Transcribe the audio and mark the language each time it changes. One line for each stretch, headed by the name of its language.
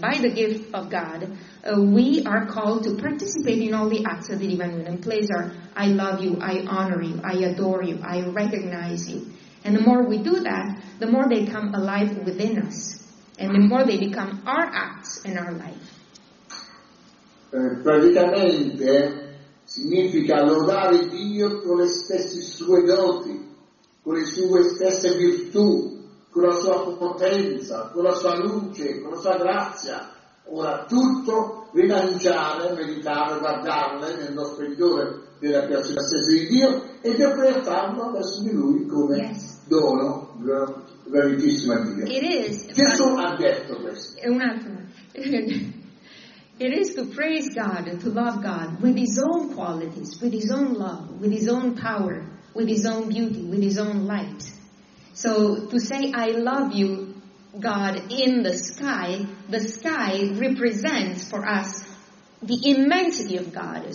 English: By the gift of God, we are called to participate in all the acts of the divine will and place our I love you, I honor you, I adore you, I recognize you. And the more we do that, the more they come alive within us. And the more they become our acts in our life.
Italian: Praticamente significa lodare Dio con le stesse sue doti, con le sue stesse virtù, con la sua potenza, con la sua luce, con la sua grazia. Ora tutto rilanciare, meditare, guardarle nel nostro interiore della creazione stessa di Dio e depositarlo verso di Lui come dono, veritissima Dio.
English: It is.
Italian: Gesù ha detto questo. Un attimo.
English: It is to praise God, to love God with His own qualities, with His own love, with His own power, with His own beauty, with His own light. So to say, I love you, God, in the sky represents for us the immensity of God.